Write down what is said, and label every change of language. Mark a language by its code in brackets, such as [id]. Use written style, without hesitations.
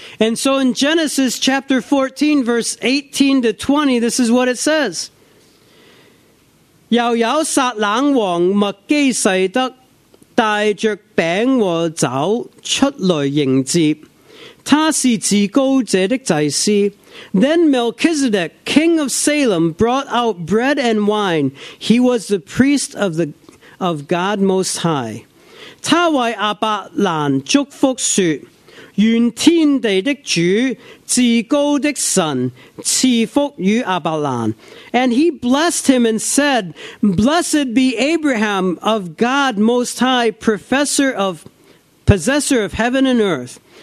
[en] And so in Genesis chapter 14, verse 18 to 20, this is what it says. [yue] 又有撒冷王麥基洗德 带着饼和酒出来迎接，他是至高者的祭司。 [en] Then Melchizedek, king of Salem, brought out bread and wine. He was the priest of God Most High. [yue] 他为阿伯兰祝福说，愿天地的主，至高的神赐福与阿伯兰。 [en] And he blessed him and said, Blessed be Abraham of God Most High, possessor of heaven and earth.